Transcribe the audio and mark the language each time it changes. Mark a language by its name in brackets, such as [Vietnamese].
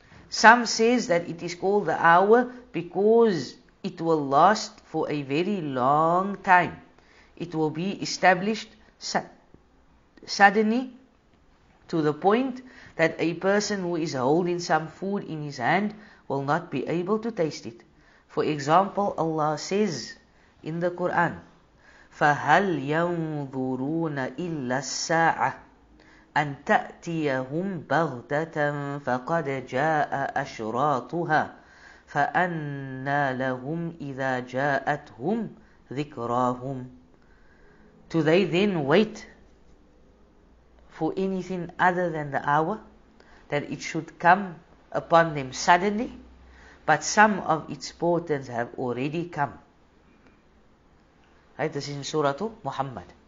[English] Some says that it is called the hour because it will last for a very long time. It will be established suddenly to the point that a person who is holding some food in his hand will not be able to taste it. For example, Allah says in the Quran, [Arabic] فَهَلْ يَنْظُرُونَ إِلَّا السَّاعَةَ أَنْ تَأْتِيَهُمْ بَغْتَةً فَقَدْ جَاءَ أَشْرَاطُهَا فَأَنَّا لَهُمْ إِذَا جَاءَتْهُمْ ذِكْرَاهُمْ. [English] Do they then wait for anything other than the hour, that it should come upon them suddenly? But some of its portents have already come. Right, this is in Surah Muhammad.